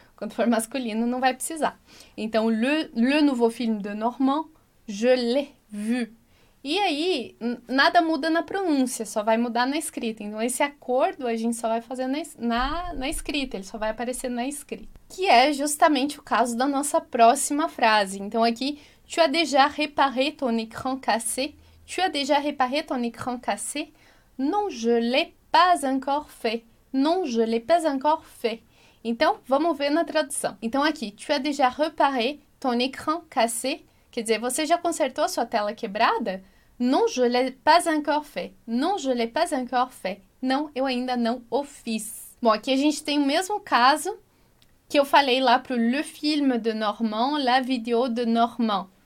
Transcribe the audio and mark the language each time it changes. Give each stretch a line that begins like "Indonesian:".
Portuguese: Quando for masculino, não vai precisar. Então,
French: le nouveau film de Normand, je l'ai vu.
Portuguese: E aí, nada muda na pronúncia, só vai mudar na escrita. Então, esse acordo a gente só vai fazer na escrita, ele só vai aparecer na escrita. Que é justamente o caso da nossa próxima frase. Então, aqui,
French: tu as déjà réparé ton écran cassé? Tu as déjà réparé ton écran cassé? Non, je l'ai pas. pas encore fait. Non, je l'ai pas encore fait.
Portuguese: Então, vamos ver na tradução. Então, aqui,
French: tu as déjà reparé ton écran cassé?
Portuguese: Quer dizer, você já consertou a sua tela quebrada?
French: Non, je l'ai pas encore fait. Non, je l'ai pas encore fait.
Portuguese: Não, eu ainda não o fiz. Bom, aqui a gente tem o mesmo caso que eu falei lá pro
French: Le film de Normand,
Portuguese: la vidéo de Normand.